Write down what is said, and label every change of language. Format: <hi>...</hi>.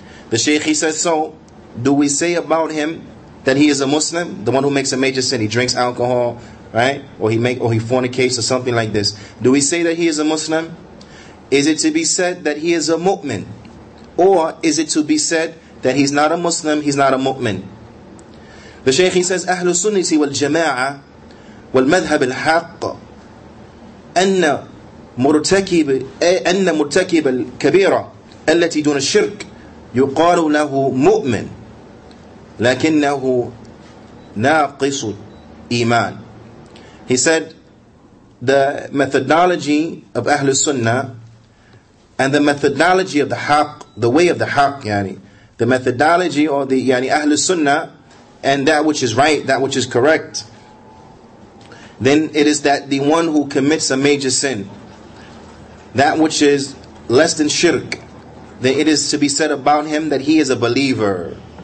<en>The Shaykh, he says, so do we say about him that he is a Muslim, the one who makes a major sin? He drinks alcohol, right? Or he fornicates or something like this. Do we say that he is a Muslim? Is it to be said that he is a mu'min? Or is it to be said that he's not a Muslim, he's not a mu'min? The Shaykh, he says,</en> <ar>أهل السنة والجماعة والمذهب الحق أن مرتكب الكبيرة التي دون الشرك يقال له مؤمن لكنه ناقص إيمان.</ar> <en>He said, the methodology of أهل السنة and the methodology of the haq, the way of the haq, the methodology or the Ahl Sunnah, and that which is right, that which is correct, then it is that the one who commits a major sin, that which is less than shirk, then it is to be said about him that he is a believer.</en>